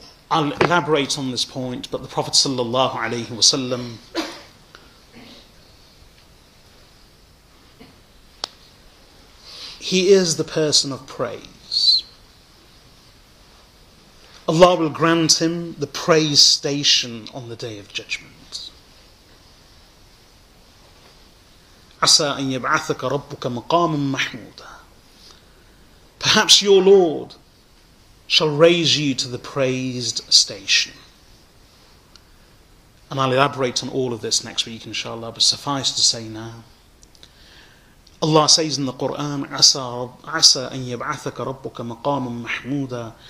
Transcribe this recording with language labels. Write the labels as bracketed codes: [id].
[en] I'll elaborate on this point, but the Prophet sallallahu alayhi wasallam he is the person of praise. Allah will grant him the praise station on the Day of Judgment. [ar] عَسَىٰ أَن يَبْعَثَكَ رَبُّكَ مَقَامًا مَحْمُودًا. [en] Perhaps your Lord shall raise you to the praised station. And I'll elaborate on all of this next week, inshallah, but suffice to say now, Allah says in the Quran, [ar] عَسَىٰ أَن يَبْعَثَكَ رَبُّكَ مَقَامًا مَحْمُودًا.